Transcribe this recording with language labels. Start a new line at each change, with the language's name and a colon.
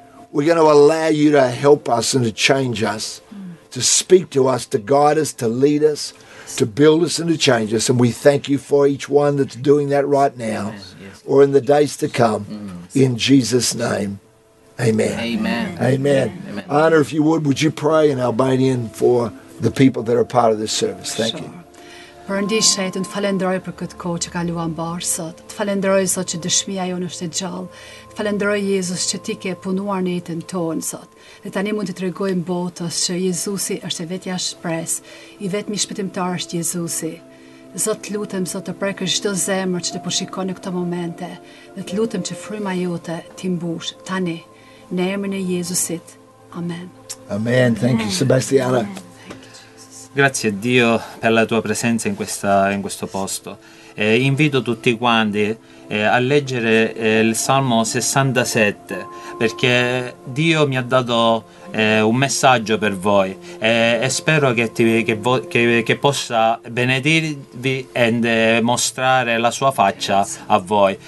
English: We're going to allow you to help us and to change us, to speak to us, to guide us, to lead us, to build us and to change us. And we thank you for each one that's doing that right now or in the days to come. In Jesus' name, amen. Amen. Amen. Anna, if you would you pray in Albanian for the people that are part of this service? Thank you.
Albanian: Përëndishe, të në falenderoj për këtë kohë që ka luan barë sot. Të falenderoj, Zot, që dëshmija jonë është e gjallë. Të falenderoj, Jezus, që ti ke punuar në jetën tonë, Zot. Dhe tani mund të tregojmë botës që Jezusi është e vetja shpresë. I vetmi shpëtimtar është Jezusi. Zot, lutem, Zot, të prekë çdo zemër që të po shikon në këto momente. Dhe të lutem që fryma jote ti mbush tani, në emrin e Jezusit. Amen.
English: Amen. Thank you, Sebastiana.
Italian: Grazie a Dio per la tua presenza in questa in questo posto. Invito tutti quanti a leggere il Salmo 67, perché Dio mi ha dato un messaggio per voi e spero che possa benedirvi e mostrare la sua faccia a voi.